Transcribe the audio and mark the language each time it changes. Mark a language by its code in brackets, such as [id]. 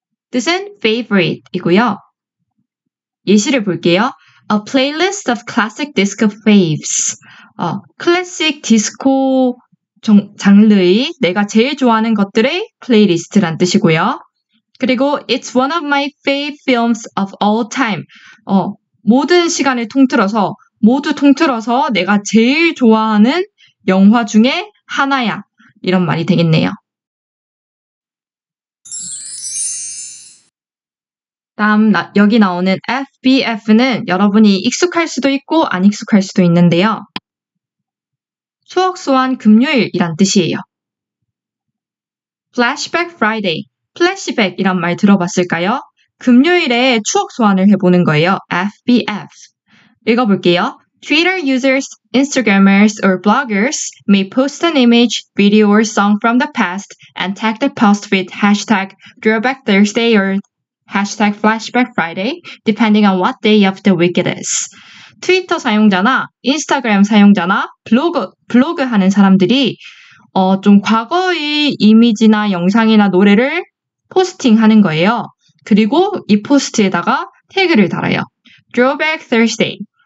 [ko] 뜻은 favorite이고요. 예시를 볼게요. [en] A playlist of classic disco faves. [ko] 클래식 디스코 장르의 내가 제일 좋아하는 것들의 플레이리스트란 뜻이고요. 그리고 [en] It's one of my fave films of all time. [ko] 모든 시간을 통틀어서 모두 통틀어서 내가 제일 좋아하는 영화 중에 하나야. 이런 말이 되겠네요. 다음 여기 나오는 FBF는 여러분이 익숙할 수도 있고 안 익숙할 수도 있는데요. 소확소한 금요일이란 뜻이에요. [en] Flashback Friday. Flashback이란 [ko] 말 들어봤을까요? 금요일에 추억 소환을 해보는 거예요. FBF. 읽어볼게요. [en] Twitter users, Instagrammers, or bloggers may post an image, video, or song from the past and tag the post with hashtag Throwback Thursday or hashtag Flashback Friday, depending on what day of the week it is. [ko] 트위터 사용자나 인스타그램 사용자나 블로그 하는 사람들이 좀 과거의 이미지나 영상이나 노래를 포스팅하는 거예요. 그리고 이 포스트에다가 태그를 달아요. [en] Throwback Thursday.